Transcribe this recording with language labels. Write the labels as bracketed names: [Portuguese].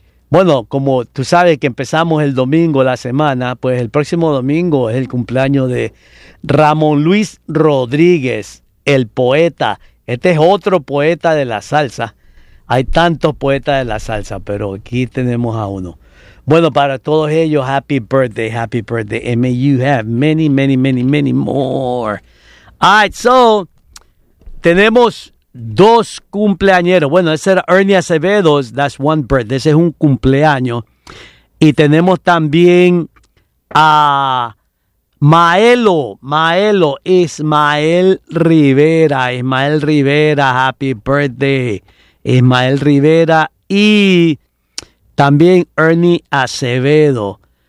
[Spanish] Bueno, como tú sabes que empezamos el domingo la semana, pues el próximo domingo es el cumpleaños de Ramón Luis Rodríguez, el poeta. Este es otro poeta de la salsa. Hay tantos poetas de la salsa, pero aquí tenemos a uno. Bueno, para todos ellos, [English] happy birthday. And may you have many, many, many, many more. All right, so, [Spanish] tenemos dos cumpleañeros. Bueno, ese era Ernie Acevedo, [English] that's one birthday. [Spanish] Ese es un cumpleaños. Y tenemos también a Maelo, Ismael Rivera, [English] happy birthday. [Spanish] Ismael Rivera y también Ernie Acevedo.